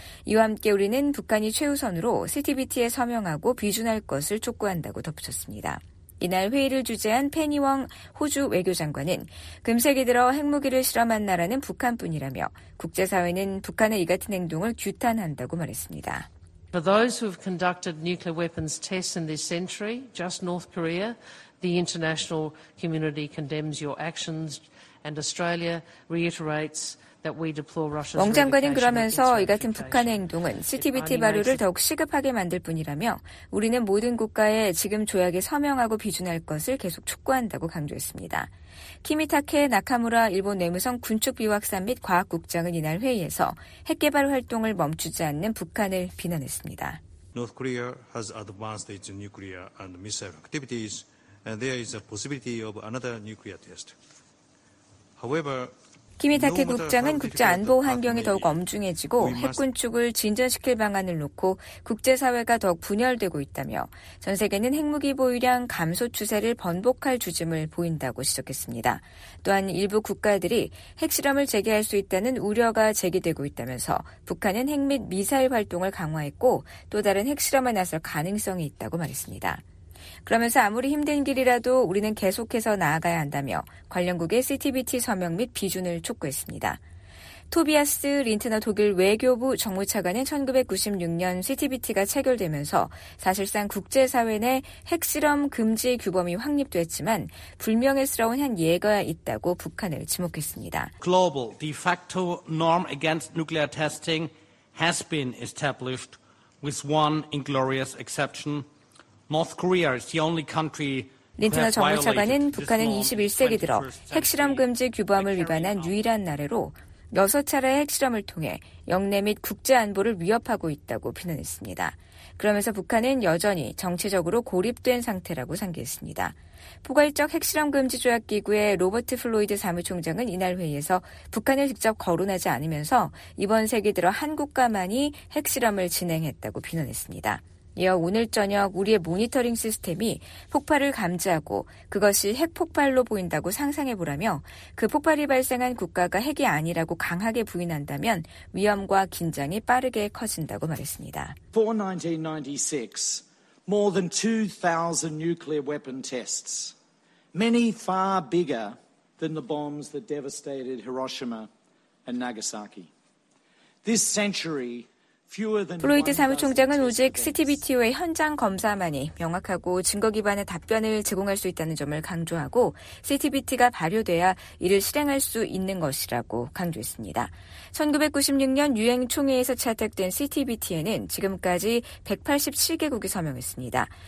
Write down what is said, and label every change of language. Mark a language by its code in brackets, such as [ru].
[ko] 이와 함께 우리는 북한이 최우선으로 CTBT에 서명하고 비준할 것을 촉구한다고 덧붙였습니다. 이날 회의를 주재한 페니웡 호주 외교장관은 금세기 들어 핵무기를 실험한 나라는 북한뿐이라며 국제사회는 북한의 이 같은 행동을 규탄한다고 말했습니다. [en] For those who have conducted nuclear weapons tests in this century, just North Korea, the international community condemns your actions and Australia reiterates [ko] 왕 장관은 그러면서 이 같은 북한의 행동은 CTBT 발효를 더욱 시급하게 만들 뿐이라며 우리는 모든 국가에 지금 조약에 서명하고 비준할 것을 계속 촉구한다고 강조했습니다. 키미타케 나카무라 일본 외무성 군축비확산 및 과학국장은 이날 회의에서 핵개발 활동을 멈추지 않는 북한을 비난했습니다. [en] North Korea has advanced its nuclear and missile activities and there is a possibility of another nuclear test. However, [ko] 키미타케 국장은 국제 안보 환경이 더욱 엄중해지고 핵군축을 진전시킬 방안을 놓고 국제사회가 더욱 분열되고 있다며 전 세계는 핵무기 보유량 감소 추세를 번복할 주짐을 보인다고 지적했습니다. 또한 일부 국가들이 핵실험을 재개할 수 있다는 우려가 제기되고 있다면서 북한은 핵 및 미사일 활동을 강화했고 또 다른 핵실험에 나설 가능성이 있다고 말했습니다. 그러면서 아무리 힘든 길이라도 우리는 계속해서 나아가야 한다며 관련국의 CTBT 서명 및 비준을 촉구했습니다. 토비아스 린트너 독일 외교부 정무차관은 1996년 CTBT가 체결되면서 사실상 국제사회 내 핵실험 금지 규범이 확립됐지만 불명예스러운 한 예가 있다고 북한을 지목했습니다. [en] Global de facto norm against nuclear testing has been established with one inglorious exception. North Korea is the only country. [ko] 린트너 정무차관은 북한은 21세기 들어 핵실험 금지 규범을 위반한 유일한 나라로 여섯 차례의 핵실험을 통해 영내 및 국제안보를 위협하고 있다고 비난했습니다. 그러면서 북한은 여전히 정치적으로 고립된 상태라고 상기했습니다. 포괄적 핵실험 금지 조약 기구의 로버트 플로이드 사무총장은 이날 회의에서 북한을 직접 거론하지 않으면서 이번 세기 들어 한국과만이 핵실험을 진행했다고 비난했습니다. 이어 오늘 저녁 우리의 모니터링 시스템이 폭발을 감지하고 그것이 핵폭발로 보인다고 상상해보라며 그 폭발이 발생한 국가가 핵이 아니라고 강하게 부인한다면 위험과 긴장이 빠르게 커진다고 말했습니다. [en] Before 1996, more than 2,000 nuclear weapon tests, many far bigger than the bombs that devastated Hiroshima and Nagasaki. This century, [ko] 플로이드 사무총장은 오직 CTBTO의 현장 검사만이 명확하고 증거 기반의 답변을 제공할 수 있다는 점을 강조하고 CTBT가 발효돼야 이를 실행할 수 있는 것이라고 강조했습니다. 1996년 유엔 총회에서 채택된 CTBT에는 지금까지 187개국이 서명했습니다.